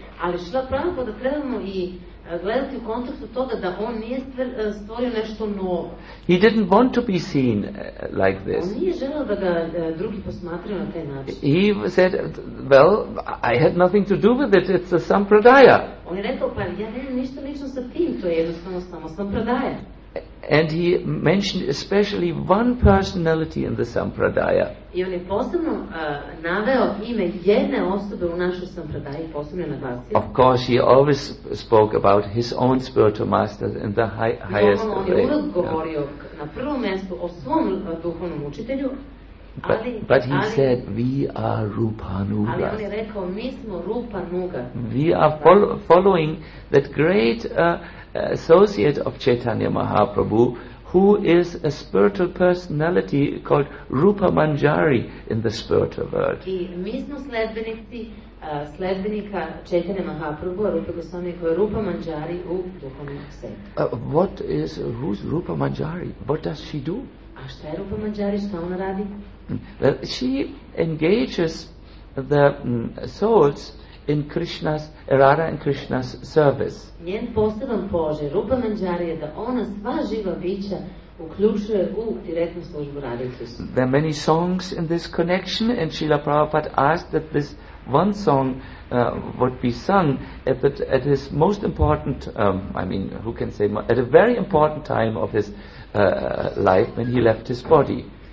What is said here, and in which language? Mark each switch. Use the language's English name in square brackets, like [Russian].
[Serbian] Ali Šrila Prabhupada trebamo i gledati u kontekstu toga da on nije stvorio nešto novo. [English] He didn't want to be seen like this. [Serbian] On nije želio da ga drugi posmatraju na taj način. [English] He said, well, I had nothing to do with it, it's a sampradaya. [Serbian] On je rekao, pa ja nemam ništa lično sa tim, to je jednostavno samo sampradaya. [English] And he mentioned especially one personality in the sampradaya. [Serbian] I on je posebno naveo ime jedne osobe u našoj sampradaji, posebno naglasio. [English] Of course, he always spoke about his own spiritual master in the highest way. [Serbian] On je uvijek govorio na prvom mjestu o svom duhovnom učitelju. [English] But he said, we are Rupanugas. [Serbian] Ali on je rekao, mi smo Rupanuga. [English] We are following that great associate of Chaitanya Mahaprabhu, who is a spiritual personality called Rupa Manjari in the spiritual world. [Serbian] I mi smo sledbenika Chaitanya Mahaprabhu, Rupa Goswami, koji je Rupa Manjari u duhovnom svetu. [English] What is, who's Rupa Manjari? What does she do? [Serbian] A šta je Rupa Manjari, šta ona radi? [English] She engages the souls in Krishna's, Radha and Krishna's service. [Serbian] Njen poseban položaj Rupa Manjari je da ona sva živa bića uključuje u direktnu službu Radha Krishna. [English] There are many songs in this connection, and Srila Prabhupada asked that this one song would be sung at his most important, at a very important time of his life when he left his body.